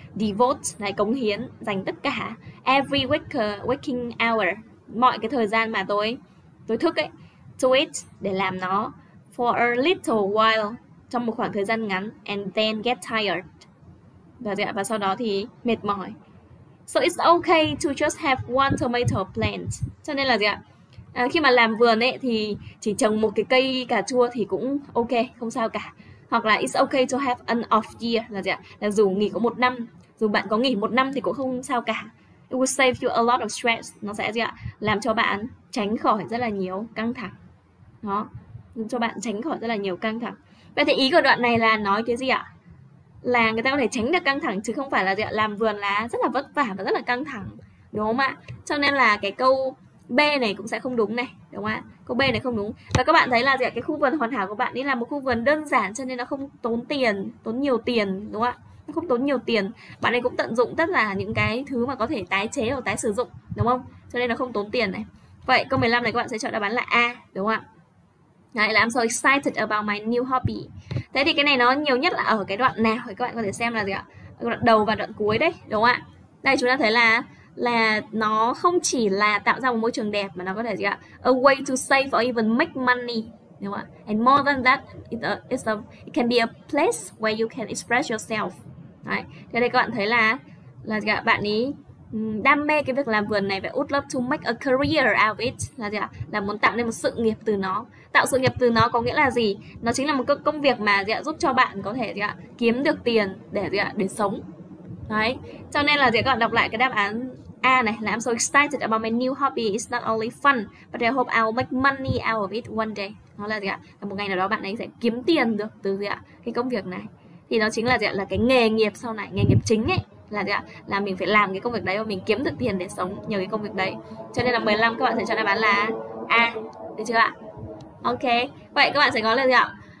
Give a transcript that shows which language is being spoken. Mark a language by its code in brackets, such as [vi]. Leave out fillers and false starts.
[vi] Devote, này cống hiến, dành tất cả [en] every waking hour, [vi] mọi cái thời gian mà tôi thức ấy, [en] to it, [vi] để làm nó [en] for a little while, [vi] trong một khoảng thời gian ngắn, [en] and then get tired. [vi] Được rồi ạ? Và sau đó thì mệt mỏi. [en] So it's okay to just have one tomato plant. [vi] Cho nên là gì ạ? Khi mà làm vườn ấy thì chỉ trồng một cái cây cà chua thì cũng ok, không sao cả. Hoặc là [en] it's okay to have an off year, [vi] là gì ạ? Là dù nghỉ có một năm, dù bạn có nghỉ một năm thì cũng không sao cả. [en] It will save you a lot of stress. [vi] Nó sẽ gì ạ? Làm cho bạn tránh khỏi rất là nhiều căng thẳng. Đó, cho bạn tránh khỏi rất là nhiều căng thẳng. Vậy thì ý của đoạn này là nói cái gì ạ? Là người ta có thể tránh được căng thẳng chứ không phải là gì ạ? Làm vườn là rất là vất vả và rất là căng thẳng, đúng không ạ? Cho nên là cái câu B này cũng sẽ không đúng này, đúng không ạ? Câu B này không đúng. Và các bạn thấy là gì ạ? Cái khu vườn hoàn hảo của bạn ấy là một khu vườn đơn giản cho nên nó không tốn tiền, tốn nhiều tiền, đúng không ạ? Nó không tốn nhiều tiền. Bạn ấy cũng tận dụng tất cả những cái thứ mà có thể tái chế hoặc tái sử dụng, đúng không? Cho nên nó không tốn tiền này. Vậy câu 15 này các bạn sẽ chọn đáp án là A, đúng không ạ? Đấy là [en] I'm so excited about my new hobby. [vi] Thế thì cái này nó nhiều nhất là ở cái đoạn nào? Các bạn có thể xem là gì ạ? Đoạn đầu và đoạn cuối đấy, đúng không ạ? Đây chúng ta thấy là nó không chỉ là tạo ra một môi trường đẹp mà nó có thể gì ạ? [en] A way to save or even make money, [vi] đúng không ạ? [en] And more than that, it can be a place where you can express yourself. [vi] Đấy. Thế đây các bạn thấy là gì ạ? Bạn ý đam mê cái việc làm vườn này và [en] would love to make a career out of it, [vi] là gì ạ? Là muốn tạo nên một sự nghiệp từ nó. Tạo sự nghiệp từ nó có nghĩa là gì? Nó chính là một công việc mà gì ạ? Giúp cho bạn có thể gì ạ? Kiếm được tiền để gì ạ? Để sống. Đấy. Cho nên là gì ạ? Các bạn đọc lại cái đáp án A này là [en] I'm so excited about my new hobby. It's not only fun, but I hope I'll make money out of it one day. [vi] Nó là gì ạ? Là một ngày nào đó bạn ấy sẽ kiếm tiền được từ gì ạ? Cái công việc này. Thì nó chính là gì ạ? Là cái nghề nghiệp sau này, nghề nghiệp chính ấy. Là gì ạ? Là mình phải làm cái công việc đấy và mình kiếm được tiền để sống nhờ cái công việc đấy. Cho nên là 15 các bạn sẽ cho đáp án là A. Được chưa ạ? Ok. Vậy các bạn sẽ có là gì ạ?